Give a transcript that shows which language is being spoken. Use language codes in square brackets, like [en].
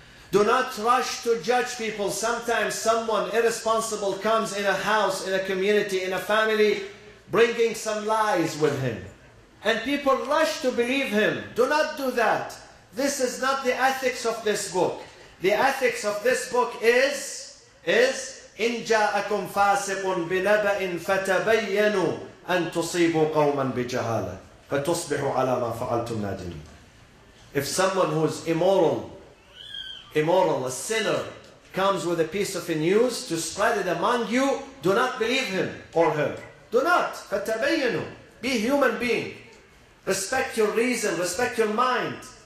[en] Do not rush to judge people. Sometimes someone irresponsible comes in a house, in a community, in a family, bringing some lies with him. And people rush to believe him. Do not do that. This is not the ethics of this book. The ethics of this book is [ar] إِن جَاءَكُمْ فَاسِقٌ بِنَبَئٍ فَتَبَيَّنُوا أَن تُصِيبُوا قَوْمًا بِجَهَالَةٍ فَتُصْبِحُوا عَلَى مَا فَعَلْتُمْ نَادِمِينَ. [en] If someone who is immoral, a sinner, comes with a piece of news to spread it among you, do not believe him or her. Do not. فَتَبَيَّنُوا. Be human being. Respect your reason. Respect your mind.